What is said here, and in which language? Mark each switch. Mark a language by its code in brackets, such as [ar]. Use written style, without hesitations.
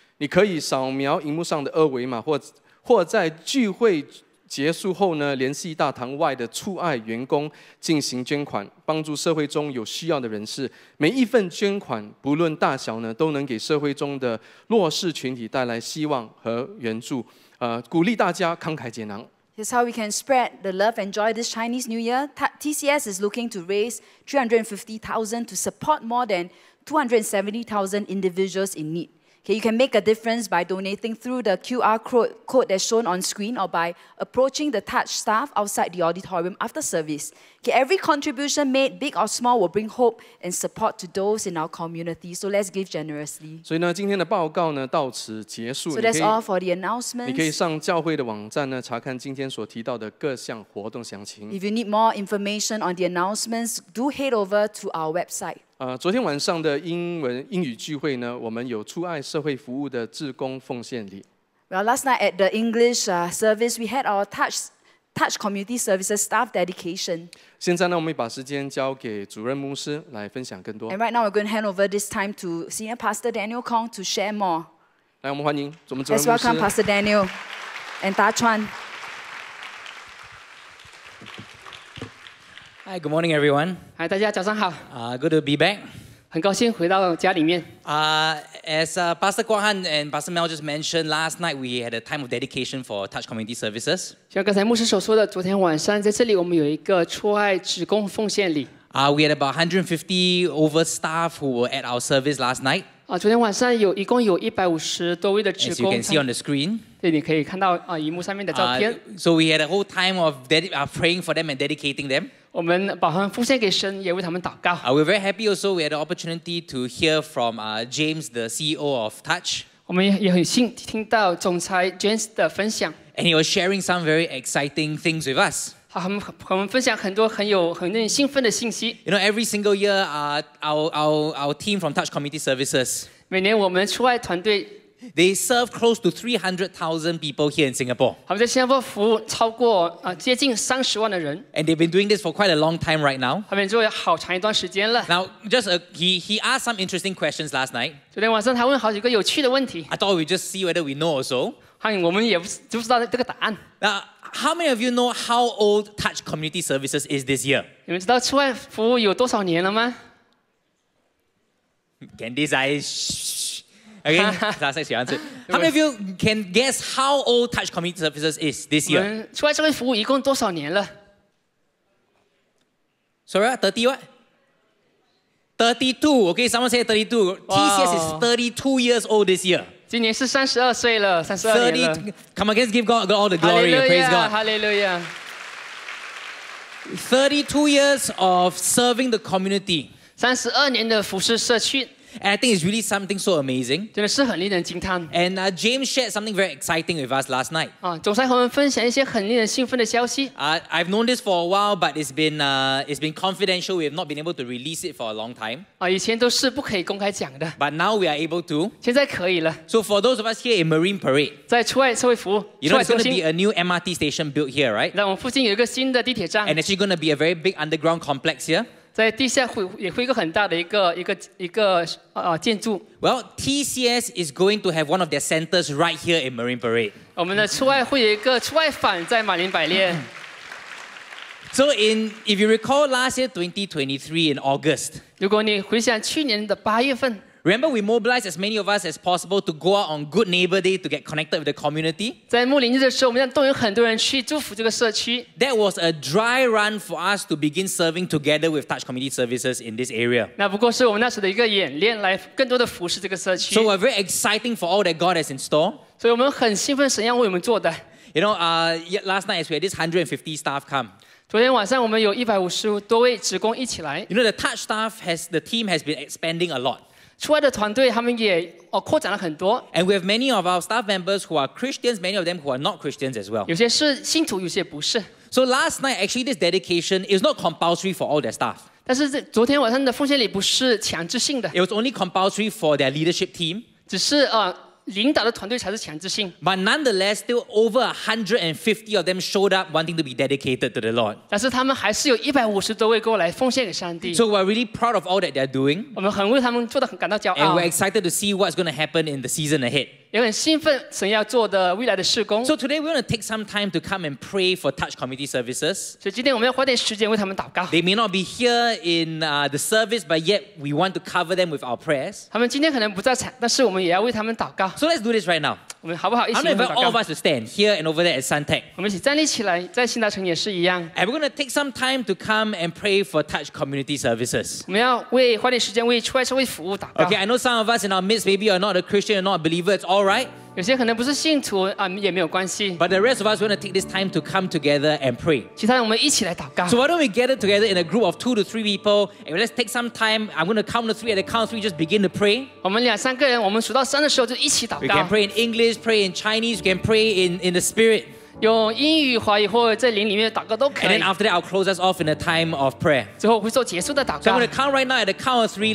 [zh] 你可以扫描荧幕上的二维码，或在聚会结束后呢，联系大堂外的出爱员工进行捐款，帮助社会中有需要的人士。每一份捐款不论大小呢，都能给社会中的弱势群体带来希望和援助。鼓励大家慷慨解囊。 [en] Here's how we can spread the love and joy this Chinese New Year. TCS is looking to raise $350,000 to support more than 270,000 individuals in need. Okay, you can make a difference by donating through the QR code that's shown on screen or by approaching the Touch staff outside the auditorium after service. Okay, every contribution made, big or small, will bring hope and support to those in our community. So let's give generously. [zh] 所以呢，今天的报告呢，到此结束。 [en] So that's all for the announcements. [zh] 你可以上教会的网站呢，查看今天所提到的各项活动详情。 [en] If you need more information on the announcements, do head over to our website. [zh] 昨天晚上的英语聚会呢，我们有出爱社会服务的志工奉献礼。 [en] Well, last night at the English service, we had our Touch Community Services staff dedication. [zh] 现在呢，我们把时间交给主任牧师来分享更多。 [en] And right now, we're going to hand over this time to Senior Pastor Daniel Kong to share more. [zh] 来，我们欢迎我们主任牧师。 [en] Let's welcome Pastor Daniel and Da Chuan. Hi, good morning, everyone. [zh] Hi, 大家早上好。 [en] Good to be back. [zh] 很高兴回到家里面。 [en] As Pastor Guanghan and Pastor Mel just mentioned, last night we had a time of dedication for Touch Community Services. [zh] 像刚才牧师所说的，昨天晚上在这里我们有一个出爱职工奉献礼。 [en] We had about 150 over staff who were at our service last night. [zh] 昨天晚上一共有150多位的职工。 [en] As you can see on the screen. [zh] 对，你可以看到荧幕上面的照片。 [en] So we had a whole time of praying for them and dedicating them. [zh] 我们把他们奉献给神，也为他们祷告。 [en] We're very happy also we had the opportunity to hear from James, the CEO of Touch. [zh] 我们也很幸听到总裁 James 的分享。 [en] And he was sharing some very exciting things with us. [zh] 我们分享很多很令人兴奋的信息。 [en] You know, every single year, our team from Touch Community Services. [zh] 每年我们出爱团队。 [en] They serve close to 300,000 people here in Singapore. [zh] 他们在新加坡服务超过接近300,000的人。 [en] And they've been doing this for quite a long time right now. [zh] 他们做了好长一段时间了。 [en] Now, he asked some interesting questions last night. [zh] 昨天晚上他问好几个有趣的问题。 [en] I thought we'd just see whether we know or so. [zh] 我们也不知道这个答案。 [en] Now, how many of you know how old Touch Community Services is this year? [zh] 你们知道出爱服务有多少年了吗？ [en] Candy's eyes. Okay, that's actually your answer. How many of you can guess how old Touch Community Services is this year? [zh] 我们出爱社会服务一共多少年了？ [en] Sorry, 30 what? 32, okay, someone say 32. Wow. TCS is 32 years old this year. [zh] 今年是32岁了，32年了。 [en] Come on, let's give God all the glory, praise God. Hallelujah. 32 years of serving the community. [zh] 32年的服侍社区。 [en] And I think it's really something so amazing. [zh] 真的是很令人惊叹。 [en] And James shared something very exciting with us last night. [zh] 总裁和我们分享一些很令人兴奋的消息。 [en] I've known this for a while, but it's been confidential. We have not been able to release it for a long time. [zh] 以前都是不可以公开讲的。 [en] But now we are able to. [zh] 现在可以了。 [en] So for those of us here in Marine Parade, [zh] 在出爱社会服务。 [en] You know, it's going to be a new MRT station built here, right? [zh] 在我们附近有一个新的地铁站。 [en] And it's going to be a very big underground complex here. [zh] 在地下会一个很大的一个建筑。 [en] Well, TCS is going to have one of their centers right here in Marine Parade. [zh] 我们的出爱会有一个出爱坊在马林百列。 [en] So if you recall last year 2023 in August. [zh] 如果你回想去年的八月份。 [en] Remember, we mobilized as many of us as possible to go out on Good Neighbor Day to get connected with the community. [zh] 在牧灵日的时候，我们让动员很多人去祝福这个社区。 [en] That was a dry run for us to begin serving together with Touch Community Services in this area. [zh] 那不过是我们那时的一个演练，来更多的服侍这个社区。 [en] So we're very exciting for all that God has in store. [zh] 所以我们很兴奋，神要为我们做的。 [en] You know, last night as we had this 150 staff come. [zh] 昨天晚上我们有150多位职工一起来。 [en] You know, the Touch staff the team has been expanding a lot. [zh] 出爱的团队他们也扩展了很多。 [en] And we have many of our staff members who are Christians, many of them who are not Christians as well. [zh] 有些是信徒，有些不是。 [en] So last night, actually, this dedication is not compulsory for all their staff. [zh] 但是这昨天晚上的奉献礼不是强制性的。 [en] It was only compulsory for their leadership team. [zh] 只是领导的团队才是强制性。 [en] But nonetheless, still over 150 of them showed up wanting to be dedicated to the Lord. [zh] 但是他们还是有150多位过来奉献给上帝。 [en] So we're really proud of all that they're doing. [zh] 我们很为他们做得很感到骄傲。 [en] And we're excited to see what's going to happen in the season ahead. [zh] 也很兴奋神要做的未来的事工。 [en] So today we want to take some time to come and pray for Touch Community Services. [zh] 所以今天我们要花点时间为他们祷告。 [en] They may not be here in the service, but yet we want to cover them with our prayers. [zh] 他们今天可能不在场，但是我们也要为他们祷告。 [en] So let's do this right now. [zh] 我们好不好一起祷告？ [en] I'm going to invite all of us to stand here and over there at Suntec. [zh] 我们一起站立起来，在新达城也是一样。 [en] And we're going to take some time to come and pray for Touch Community Services. [zh] 我们要为花点时间为出爱社会服务祷告。 [en] Okay, I know some of us in our midst maybe are not a Christian or not a believer. It's all right. [zh] 有些可能不是信徒也没有关系。 [en] But the rest of us want to take this time to come together and pray. [zh] 其他人我们一起来祷告。 [en] So why don't we gather together in a group of 2 to 3 people and let's take some time. I'm going to count to 3 and at the count of 3 just begin to pray. [zh] 我们两三个人，我们数到三的时候就一起祷告。 [en] We can pray in English, pray in Chinese, we can pray in the Spirit. [zh] 用英语、华语或在灵里面祷告都可以。 [en] And then after that, I'll close us off in a time of prayer. [zh] 最后会做结束的祷告。 [en] So I'm going to count right now at the count of 3.